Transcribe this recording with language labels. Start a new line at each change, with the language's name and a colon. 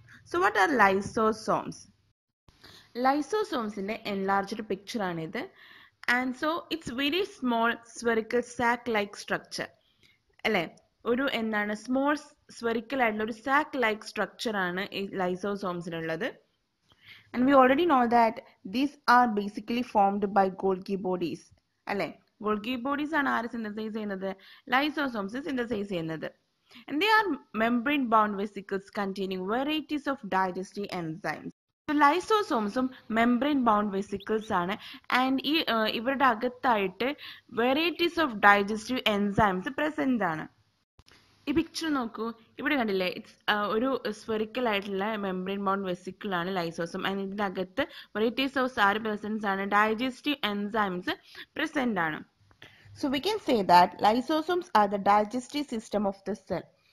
English: So what are lysosomes?
Malayalam: ലൈസോസോംസിന്റെ enlarged picture ആണിത്.
English: And so it's very small spherical sac like structure.
Malayalam: അല്ലേ, ഒരു എന്താണ്, small സ്വെറിക്കൽ ആയിട്ടുള്ള ഒരു സാക്ക് ലൈക്ക് സ്ട്രക്ചർ ആണ് ഈ ലൈസോസോംസിനുള്ളത്.
English: And we already know that these are basically formed by Golgi bodies.
Malayalam: Alle Golgi bodies are ആര് synthesise ചെയ്യുന്നത്? ലൈസോസോംസ് സിന്തസൈസ് ചെയ്യുന്നത്.
English: And they are membrane bound vesicles containing varieties of digestive enzymes.
Malayalam: So lysosomes membrane bound vesicles ആണ്. And ഇവരുടെ അകത്തായിട്ട് varieties of digestive enzymes present ആണ്. ഈ picture നോക്കൂ, ഇവിടെ കണ്ടില്ലേ, ഇറ്റ്സ് ഒരു സ്ഫെറിക്കൽ ആയിട്ടുള്ള മെംബ്രെയിൻ ബൗണ്ട് വെസിക്കിൾ ആണ് ലൈസോസോം. ആൻഡ് ഇതിൻ്റെ അകത്ത് വെറൈറ്റീസ് ഓഫ് സാർ പ്രസൻസ് ആണ്, ഡൈജസ്റ്റീവ് എൻസൈംസ് പ്രസൻ്റ് ആണ്.
English: So we can say that lysosomes are the digestive system of the cell.